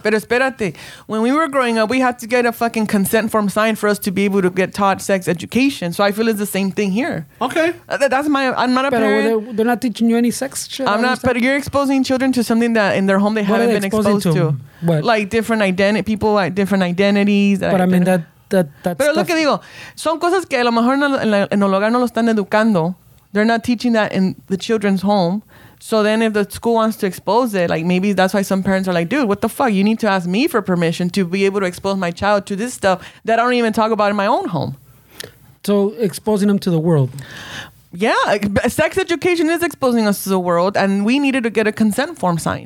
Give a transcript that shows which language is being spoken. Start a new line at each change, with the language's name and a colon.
Spanish: Pero espérate.
English: When we were growing up, we had to get a fucking consent form signed for us to be able to get taught sex education. So I feel it's the same thing here. Okay. I'm not a parent. Well, they're not teaching you any sex shit. But you're exposing children to something that in their home they haven't been exposed to. What? Like different identity, people like different identities. But I mean that. That
Spanish: pero lo que digo son cosas que a lo mejor en el hogar no lo están educando.
English: They're not teaching that in the children's home. So then if the school wants to expose it, like maybe that's why some parents are like, dude, what the fuck, you need to ask me for permission to be able to expose my child to this stuff that I don't even talk about in my own home. So exposing them to the world. Yeah, sex education is exposing us to the world, and we needed to get a consent form signed.